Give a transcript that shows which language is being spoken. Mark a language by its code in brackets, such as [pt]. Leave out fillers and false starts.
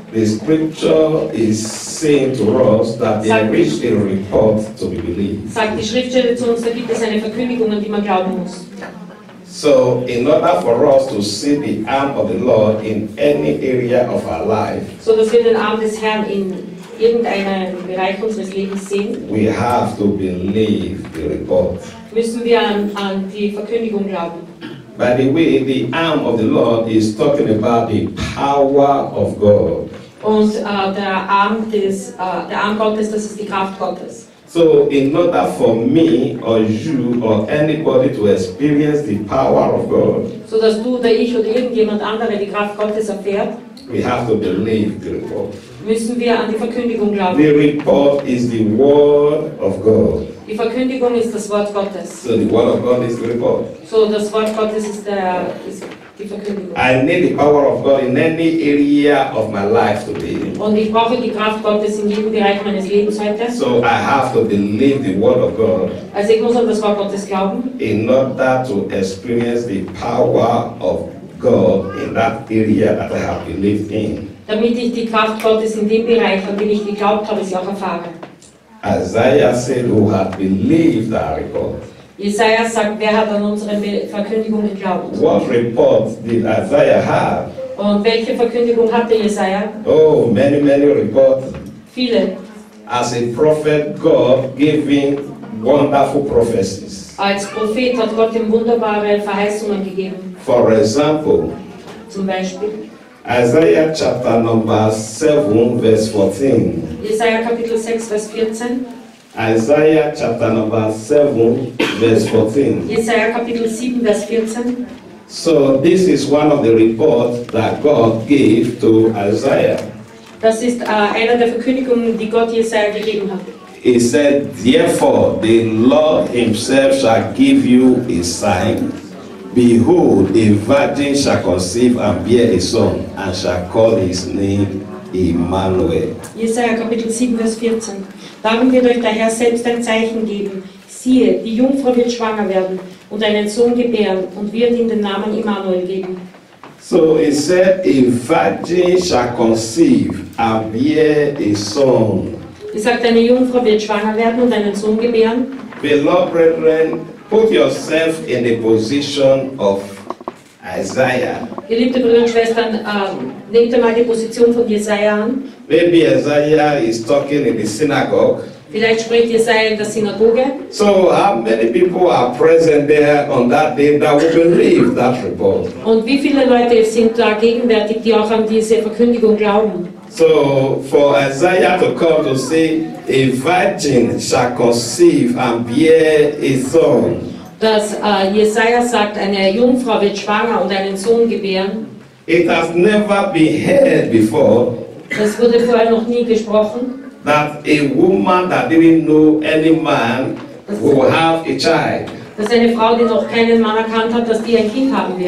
[en] the scripture is saying to us that there is a report to be believed. [de] Sagt die Schriftstelle zu uns, da gibt es eine Verkündigung, an die man glauben muss. [en] So in order for us to see the arm of the Lord in any area of our life, [de] so dass wir den Arm des Herrn in irgendeinem Bereich unseres Lebens sehen, [en] we have to believe the report. [de] Müssen wir an die Verkündigung glauben. [en] By the way, the arm of the Lord is talking about the power of God. [de] Und der Arm Gottes, das ist die Kraft Gottes. [en] So in order for me or you or anybody to experience the power of God, [de] so dass du oder ich oder irgendjemand andere die Kraft Gottes erfährt, [en] we have to believe the report. [de] Müssen wir an die Verkündigung glauben. [en] The report is the word of God. [de] Die Verkündigung ist das Wort Gottes. [en] So the word of God is the report. [de] So das Wort Gottes ist der ist die Verkündigung. [en] I need the power of God in any area of my life today. [de] Und ich brauche die Kraft Gottes in jedem Bereich meines Lebens heute. [en] So I have to believe the word of God. [de] Also ich muss an das Wort Gottes glauben. [en] In order to experience the power of God in that area that I have believed in. [de] Damit ich die Kraft Gottes in dem Bereich, an dem ich geglaubt habe, sie auch erfahre. [en] Isaiah said, "Who hath believed our report?" [de] Isaiah sagt, wer hat an unsere Verkündigung geglaubt? [en] What report did Isaiah have? [de] Und welche Verkündigung hatte Isaiah? [en] Oh, many, many reports. [de] Viele. [en] As a prophet, God giving wonderful prophecies. [de] Als Prophet hat Gott ihm wunderbare Verheißungen gegeben. [en] For example. [de] Zum Beispiel. [en] Isaiah chapter number 7, verse 14. [de] Isaiah Kapitel 6, Vers 14. [en] Isaiah chapter number 7, verse 14. [de] Isaiah Kapitel 7, Vers 14. [en] So this is one of the reports that God gave to Isaiah. [de] Das ist einer der Verkündigungen, die Gott Isaiah gegeben hat. [en] He said, "Therefore the Lord himself shall give you a sign. Behold, a virgin shall conceive and bear a son, and shall call his name Emmanuel." [de] Jesaja Kapitel 7, Vers 14. Darum wird euch der Herr selbst ein Zeichen geben. Siehe, die Jungfrau wird schwanger werden und einen Sohn gebären und wird ihm den Namen Emmanuel geben. [en] So he said, a virgin shall conceive and bear a son. [de] Er sagt, eine Jungfrau wird schwanger werden und einen Sohn gebären. [en] Beloved brethren, put yourself in the position of Isaiah. [de] Geliebte Brüder und Schwestern, nehmt einmal die Position von Jesaja an. [en] Maybe Isaiah is talking in the synagogue. [de] Vielleicht spricht Jesaja in der Synagoge. [en] So how many people are present there on that day that will believe that report? [de] Und wie viele Leute sind da gegenwärtig, die auch an diese Verkündigung glauben? [en] So for Isaiah to come to say, a virgin shall conceive and bear a son. [de] Dass Jesaja sagt, eine Jungfrau wird schwanger und einen Sohn gebären. [en] It has never been heard before. [de] Das wurde vorher noch nie gesprochen. [en] That a woman that didn't know any man will have a child. [de] Dass eine Frau, die noch keinen Mann erkannt hat, dass die ein Kind haben wird.